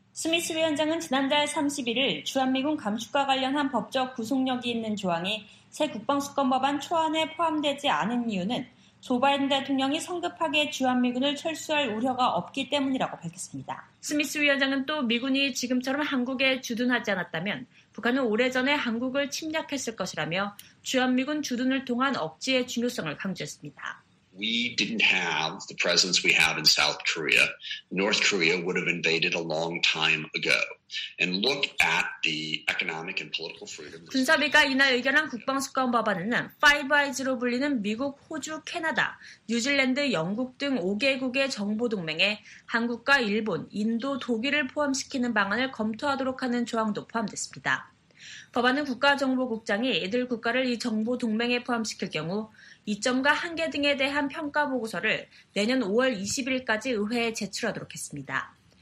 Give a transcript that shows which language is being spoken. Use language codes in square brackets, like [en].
[ko] 스미스 위원장은 지난달 31일 주한미군 감축과 관련한 법적 구속력이 있는 조항이 새 국방수권 법안 초안에 포함되지 않은 이유는 조 바이든 대통령이 성급하게 주한미군을 철수할 우려가 없기 때문이라고 밝혔습니다. 스미스 위원장은 또 미군이 지금처럼 한국에 주둔하지 않았다면 북한은 오래전에 한국을 침략했을 것이라며 주한미군 주둔을 통한 억지의 중요성을 강조했습니다. [en] We didn't have the presence we have in South Korea. North Korea would have invaded a long time ago. And look at the economic and political freedom. [ko] 군사비가 이날 의결한 국방수권 법안에는 Five Eyes로 불리는 미국, 호주, 캐나다, 뉴질랜드, 영국 등 5개국의 정보 동맹에 한국과 일본, 인도, 독일을 포함시키는 방안을 검토하도록 하는 조항도 포함됐습니다. 법안은 국가정보국장이 이들 국가를 이 정보 동맹에 포함시킬 경우 이점과 한계 등에 대한 평가 보고서를 내년 5월 20일까지 의회에 제출하도록 했습니다.